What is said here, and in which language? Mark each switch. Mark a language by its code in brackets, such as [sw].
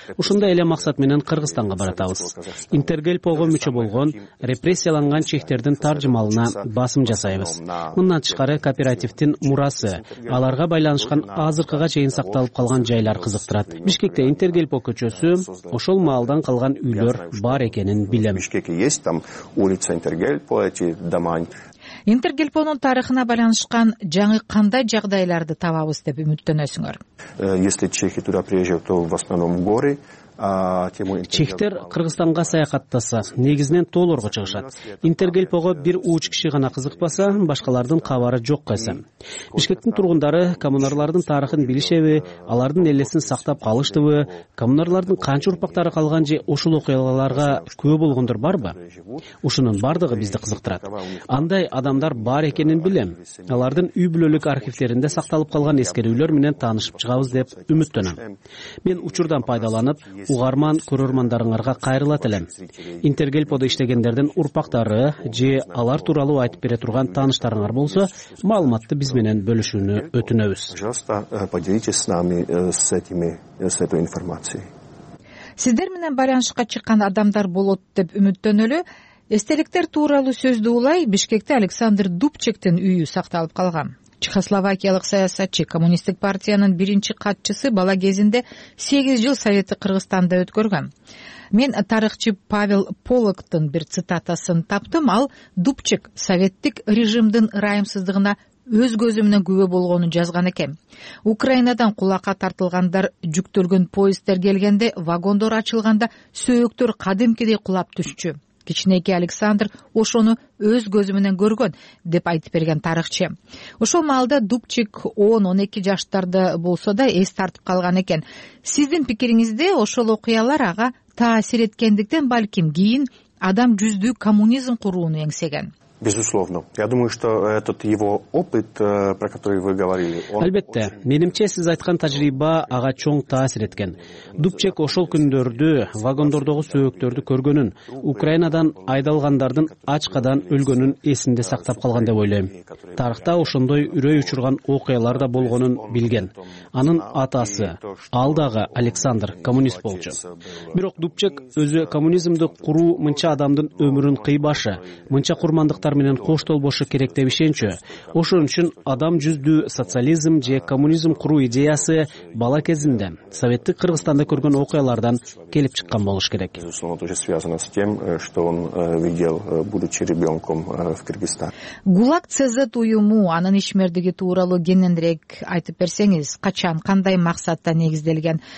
[ky] Ушундай эле максат менен Кыргызстанга баратабыз. Интергелпого мүчө болгон репрессияланган чехтердин таржымалына басым жасайбыз. Мындан тышкары кооперативтин мурасы, аларга байланышкан азыркыга чейин сакталып калган жайлар кызыктырат. Бишкекте Интергелпо көчөсү, ошол маалдан калган үйлөр бар экенин билем. [ru] Бишкекте есть там улица Интергелпо, эти дома. [ky] Интергелпонун тарыхына байланышкан жаңы кандай жагдайларды табабыз деп үмүттөнөсүңөр? [ru] Если чехи туда приезжают, то в основном горы. [ky] Чехтер Кыргызстанга саякаттаса, негизинен тоолорго чыгышат. Интергелпого бир ууч киши гана кызыкпаса, башкалардын кабары жок кайса. Бишкектин тургундары коммунарлардын тарыхын билишеби, алардын элесин сактап калыштыбы, коммунарлардын канча урпактары калган же ушул окуяларга күбө болгондор барбы? Ушунун бардыгы бизди кызыктырат. Андай адамдар бар экенин билем. Алардын үй бүлөлүк архивтеринде сакталып калган эскерүүлөр менен таанышып чыгабыз деп үмүттөнөм. Мен учурдан пайдаланып угарман көрөрмандарыңарга кайрылат элем. Интергелподо иштегендердин урпактары же алар тууралуу айтып бере турган тааныштарыңар болсо, маалыматты биз менен бөлүшүүнү өтүнөбүз. [ru] Пожалуйста, поделитесь с нами с этими с этой информацией. [ky] Сиздер менен байланышка чыккан адамдар болот деп үмүттөнөлү. Эстеликтер тууралуу сөздү улай, Бишкекте Александр Дубчектин үйү сакталып калган. Чехословакиялык саясатчы, коммунисттик партиянын биринчи катчысы бала кезинде 8 жыл Советтик Кыргызстанда өткөргөн. Мен тарыхчы Павел Полоктун бир цитатасын таптым, ал Дубчик советтик режимдин ырайымсыздыгына өз көзү менен күбө болгонун жазган экен. Украинадан кулакка тартылгандар жүктөлгөн поезддер келгенде, вагондор ачылганда сөөктөр кадимкидей кулап түшчү. Кичинекей Александр ошону өз көзү менен көргөн деп айтып берген тарыхчы. Ошол маалда Дубчик 10-12 жаштарда болсо да эс тартып калган экен. Сиздин пикириңизде ошол окуялар ага таасир эткендиктен балким кийин адам жүздүү коммунизм курууну эңсеген. [ru] Безусловно. Я думаю, что этот его опыт, про который вы говорили, он. [ky] Албетте, менимче сиз айткан тажрыйба ага чоң таасир эткен. Дубчек ошол күндөрдү, вагондордогу сөөктөрдү көргөнүн, Украинадан айдалгандардын ачкадан өлгөнүн эсинде сактап калган деп ойлойм. Тарыхта ошондой үрөй учурган окуялар да болгонун билген. Анын атасы, алдагы Александр, коммунист болчу. Бирок Дубчек өзү коммунизмди куруу мынча адамдын өмүрүн кыйбашы, мынча курмандык азаматтар менен коштолбошу керек деп ишенчү. Ошон үчүн адам жүздүү социализм же коммунизм куруу идеясы бала кезинде советтик Кыргызстанда көргөн окуялардан келип чыккан болуш керек. [ru] Безусловно, это уже связано с тем, что он видел, будучи ребенком в Кыргызстане. [ky] ГУЛАГ ЦЗ уюму анын ишмердиги тууралуу кененирээк айтып берсеңиз, качан, кандай максатта негизделген?